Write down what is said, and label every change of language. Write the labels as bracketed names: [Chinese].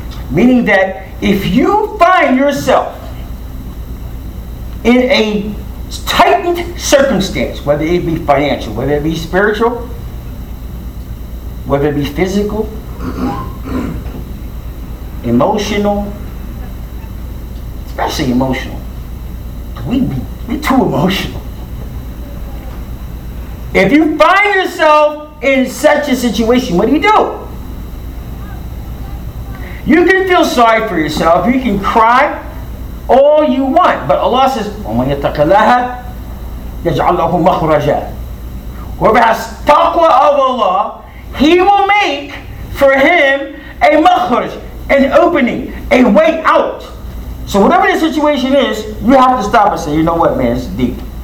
[English] Meaning that if you find yourself in a tightened circumstance, whether it be financial, whether it be spiritual, whether it be physical, emotional, especially emotional, we too emotional. If you find yourself in such a situation, what do? You can feel sorry for yourself. You can cry all you want. But Allah says, [Arabic] وَمَنْ يَتَّقِ اللَّهَ يَجْعَلْ لَهُ مَخْرَجًا. [English] Whoever has taqwa of Allah, he will make for him a makhraj. an opening, a way out. So whatever the situation is, you have to stop and say, you know what, man, it's deep.